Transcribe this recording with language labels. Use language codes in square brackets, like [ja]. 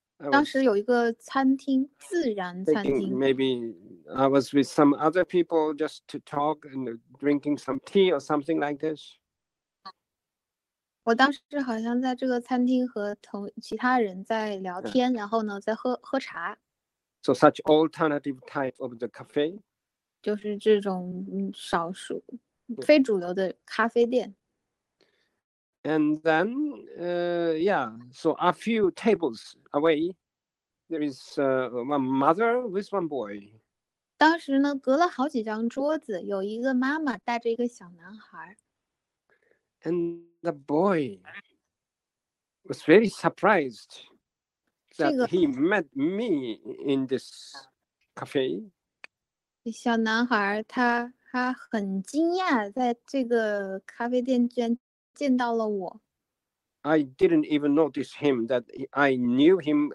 [zh] 当时有一个餐厅，自然餐厅。 [en] Maybe I was with some other people just to talk and drinking some tea or something like this. [zh] 我当时好像在这个餐厅和其他人在聊天，然后呢，在喝茶。 [en] So such alternative type of the cafe. [zh] 就是这种少数非主流的咖啡店。 [en] And then, so a few tables away, there is one mother with one boy. [zh] 当时呢，隔了好几张桌子，有一个妈妈带着一个小男孩。 [en] And the boy was very surprised that he met me in this cafe. [zh] 小男孩他很惊讶，在这个咖啡店居然见到了我。 [en] I didn't even notice him that I knew him.